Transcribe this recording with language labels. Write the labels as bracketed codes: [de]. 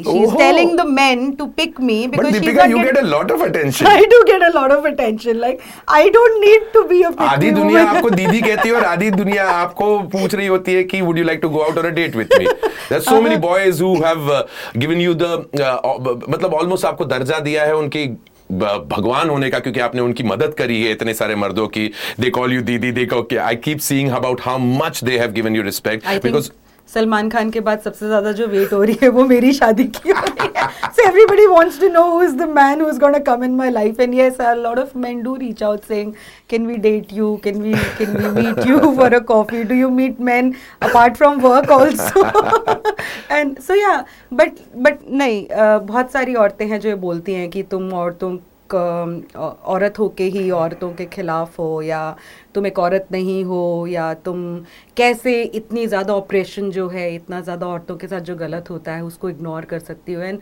[en] She's telling the men to pick me because she's. But Deepika, you get a lot of attention. I do get a lot of attention. Like I don't need to be a pick me woman. [hi] आधी दुनिया आपको दीदी कहती है और आधी दुनिया आपको पूछ रही होती है कि [en] would you like to go out on a date with me? There's so many boys who have given you the [hi] मतलब almost आपको दर्जा दिया है उनकी भगवान होने का क्योंकि आपने उनकी मदद करी है इतने सारे मर्दों की. [en] They call you didi. They go, okay, I keep seeing about how much they have given you respect. [hi] Salman Khan के बाद सबसे ज्यादा जो वेट हो रही है वो मेरी शादी की हो रही है. [en] So everybody wants to know who is the man who is going to come in my life. And yes, a lot of men do reach out saying, can we date you? Can we meet you for a coffee? Do you meet men apart from work also? And so yeah, but [hi] नहीं, बहुत सारी औरतें हैं जो ये बोलती हैं कि तुम औरतों औरत होके ही औरतों के खिलाफ हो या तुम एक औरत नहीं हो या तुम कैसे इतनी ज़्यादा ऑपरेशन जो है इतना ज़्यादा औरतों के साथ जो गलत होता है उसको इग्नोर कर सकती हो.